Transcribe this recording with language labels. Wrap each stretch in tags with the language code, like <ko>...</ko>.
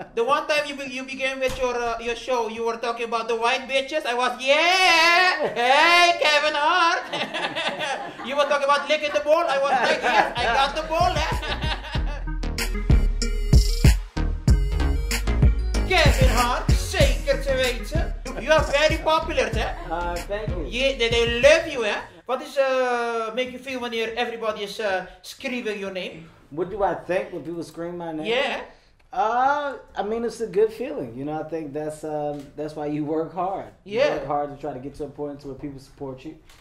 <en>The one time you began with your show, you were talking about the white bitches. I was, yeah, hey, Kevin Hart. You were talking about licking the ball. I was like, yes, I got the ball.</en> <nl>Kevin Hart, zeker te weten.</nl> <en>You are very popular, eh? Thank you. Yeah, they love you, eh? What does make you feel when everybody is screaming your name? What do I think when people scream my name? Yeah. I mean, it's a good feeling, you know. I think that's why you work hard. Yeah. You work hard to try to get to a point to where people support you.</en>